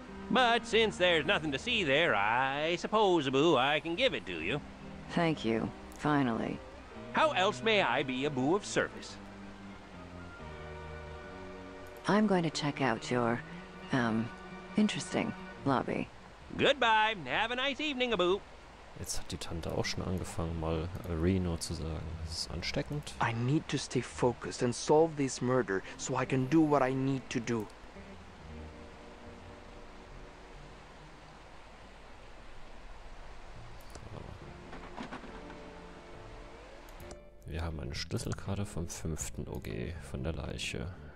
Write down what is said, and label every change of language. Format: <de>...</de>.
<en>But since there's nothing to see there, I suppose, Abu, I can give it to you. Thank you, finally. How else may I be a boo of service? I'm going to check out your, interesting lobby. Goodbye. Have a nice evening, Abu.</en> <de>Jetzt hat die Tante auch schon angefangen, mal Reno zu sagen. Das ist ansteckend.</de> <en>I need to stay focused and solve this murder, so I can do what I need to do.</en> <de>Wir haben eine Schlüsselkarte vom 5. OG von der Leiche.</de>